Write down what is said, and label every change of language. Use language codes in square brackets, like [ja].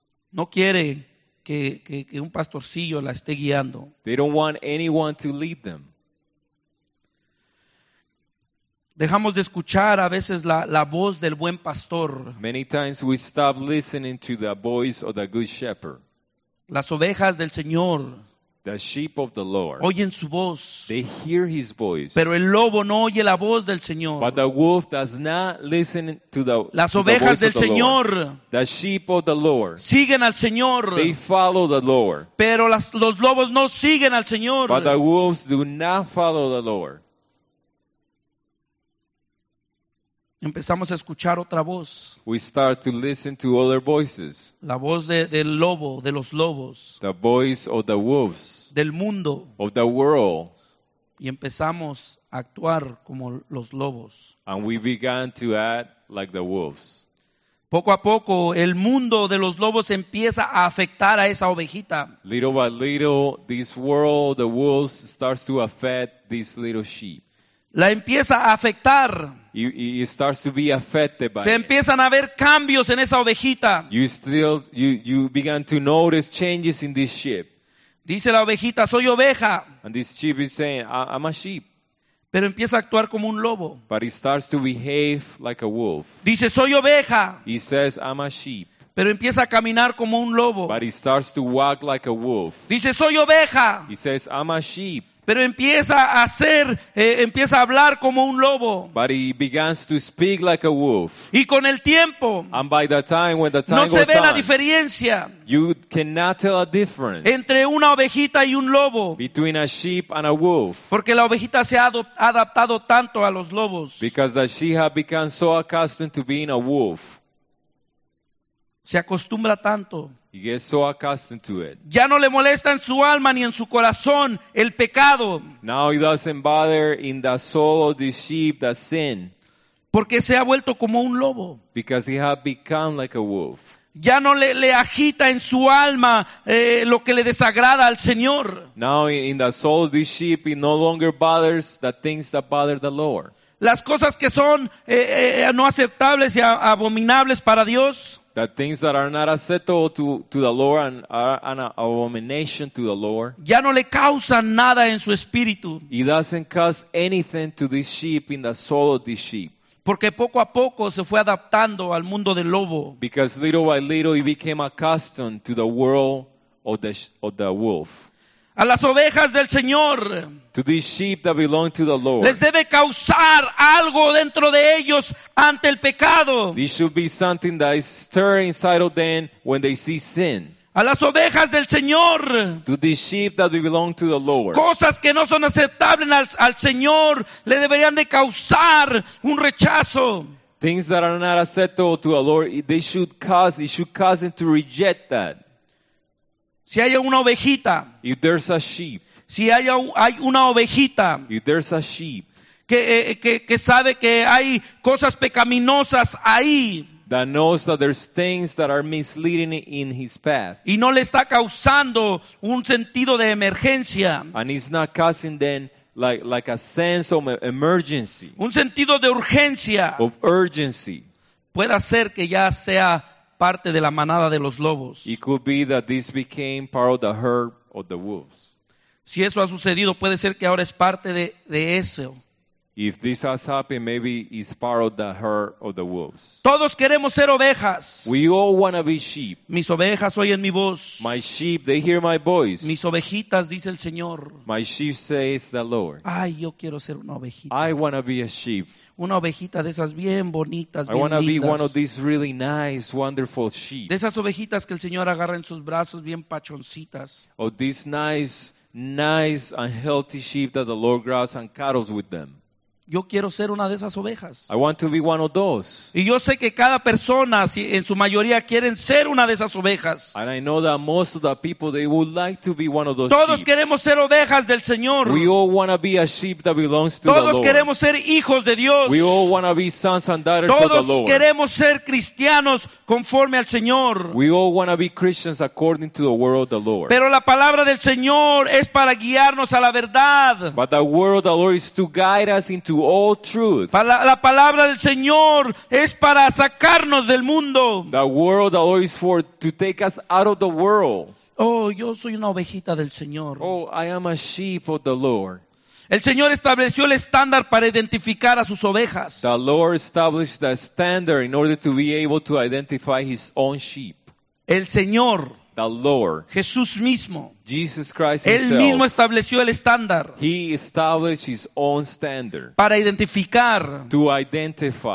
[es] No quiere que un pastorcillo la esté guiando. [en] They don't want anyone to lead them. [es] Dejamos de escuchar a veces la voz del buen pastor. [en] Many times we stop listening to the voice of the good shepherd. [es] Las ovejas del Señor. [en] The sheep of the Lord. [es] Oyen su voz. [en] They hear his voice. [es] Pero el lobo no oye la voz del Señor. [en] But the wolf does not listen to the voice of the [es] Lord. Las ovejas del Señor. [en] The sheep of the Lord. [es] Siguen al Señor. [en] They follow the Lord. [es] Pero los lobos no siguen al Señor. [en] But the wolves do not follow the Lord. [es] Empezamos a escuchar otra voz. [en] We start to listen to other voices. [es] La voz del lobo, de los lobos. [en] The voice of the wolves. [es] Del mundo. [en] Of the world. [es] Y empezamos a actuar como los lobos. [en] And we began to act like the wolves. [es] Poco a poco, el mundo de los lobos empieza a afectar a esa ovejita. [en] Little by little, this world, the wolves, starts to affect this little sheep. [es] La empieza a afectar. [en] It starts to be affected by [es] Se empiezan it. A ver cambios en esa ovejita. [en] You began to notice changes in this sheep. [es] Dice la ovejita, soy oveja. [en] And this sheep is saying, I'm a sheep. [es] Pero empieza a actuar como un lobo. [en] But it starts to behave like a wolf. [es] Dice, soy oveja. [en] He says, I'm a sheep. [es] Pero empieza a caminar como un lobo. [en] But it starts to walk like a wolf. [es] Dice, soy oveja. [en] He says, I'm a sheep. [es] Pero empieza a hacer, empieza a hablar como un lobo. [en] But he begins to speak like a wolf. [es] Y con el tiempo. [en] And by the time, when the time [es] no [en] goes [es] se ve [en] on, [es] la diferencia. [en] You cannot tell a difference. [es] Entre una ovejita y un lobo. [en] Between a sheep and a wolf. [es] Porque la ovejita se ha adaptado tanto a los lobos. [en] Because the sheep has become so accustomed to being a wolf. [es] Se acostumbra tanto. [en] He gets so accustomed to it. [es] Ya no le molesta en su alma ni en su corazón el pecado. [en] Now it doesn't bother in the soul of the sheep the sin. [es] Porque se ha vuelto como un lobo. [en] Because he has become like a wolf. [es] Ya no le agita en su alma lo que le desagrada al Señor. [en] Now in the soul of the sheep it no longer bothers the things that bother the Lord. [es] Las cosas que son no aceptables y abominables para Dios. [en] The things that are not acceptable to the Lord and are an abomination to the Lord. [es] Ya no le causan nada en su espíritu. [en] He doesn't cause anything to this sheep in the soul of this sheep. [es] Porque poco a poco se fue adaptando al mundo del lobo. [en] Because little by little he became accustomed to the world of the wolf. [es] A las ovejas del Señor. [en] To these sheep that belong to the Lord. [es] Les debe causar algo dentro de ellos ante el pecado. [en] This should be something that is stirring inside of them when they see sin. [es] A las ovejas del Señor. [en] To these sheep that belong to the Lord. [es] Cosas que no son aceptables al Señor le deberían de causar un rechazo. [en] Things that are not acceptable to the Lord, it should cause them to reject that. [es] Si hay una ovejita. [en] If there's a sheep. [es] Si hay una ovejita. [en] If there's a sheep. [es] Que sabe que hay cosas pecaminosas ahí. [en] That knows that there's things that are misleading in his path. [es] Y no le está causando un sentido de emergencia. [en] And it's not causing them like a sense of emergency. [es] Un sentido de urgencia. [en] Of urgency. [es] Puede ser que ya sea parte de la manada de los lobos. [en] It could be that this became part of the herd of the wolves. [es] Si eso ha sucedido, puede ser que ahora es parte de eso. [en] If this has happened, maybe it's part of the herd of the wolves. [es] Todos queremos ser ovejas. [en] We all want to be sheep. [es] Mis ovejas oyen mi voz. [en] My sheep, they hear my voice. [es] Mis ovejitas, dice el Señor. [en] My sheep says the Lord. [es] Ay, yo quiero ser una ovejita. [en] I want to be a sheep. [es] Una ovejita de esas bien bonitas, [en] I want to be one of these really nice, wonderful sheep. [es] De esas ovejitas que el Señor agarra en sus brazos bien pachoncitas. [en] Of these nice and healthy sheep that the Lord grabs and cuddles with them. [es] Yo quiero ser una de esas ovejas. [en] I want to be one of those. [es] Y yo sé que cada persona, si en su mayoría, quieren ser una de esas ovejas. [en] And I know that most of the people, they would like to be one of those. [es] Todos [en] sheep. [es] Queremos ser ovejas del Señor. [en] We all want to be a sheep that belongs to [es] Todos Todos queremos ser hijos de Dios. [en] We all want to be sons and daughters [es] Todos [en] of the Lord. [es] Queremos ser cristianos conforme al Señor. [en] We all want to be Christians according to the word of the Lord. [es] Pero la palabra del Señor es para guiarnos a la verdad. [en] But the word of the Lord is to guide us into all truth. [es] La palabra del Señor es para sacarnos del mundo. [en] The word of the Lord is for to take us out of the world. [es] Oh, yo soy una ovejita del Señor. [en] Oh, I am a sheep of the Lord. [es] El Señor estableció el estándar para identificar a sus ovejas. [en] The Lord established the standard in order to be able to identify his own sheep. [es] El Señor. [en] The Lord. [es] Jesús mismo. [en] Jesus Christ [es] himself. Él mismo estableció el estándar. [en] He established his own standard. [es] Para identificar. [en] To identify.